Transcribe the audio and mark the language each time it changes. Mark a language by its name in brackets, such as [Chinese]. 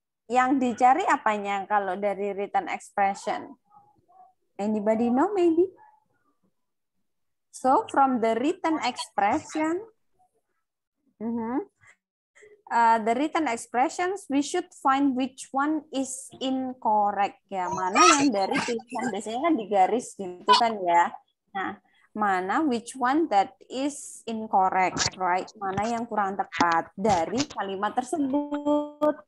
[Indonesian] Yang dicari apanya kalau dari written expression? [English] Anybody know maybe? So from the written expression, the written expressions, we should find which one is incorrect. [Indonesian] Ya, mana yang dari tulisan biasanya kan digaris gitu kan ya. Nah, mana [English] which one that is incorrect, right? [Indonesian] Mana yang kurang tepat dari kalimat tersebut.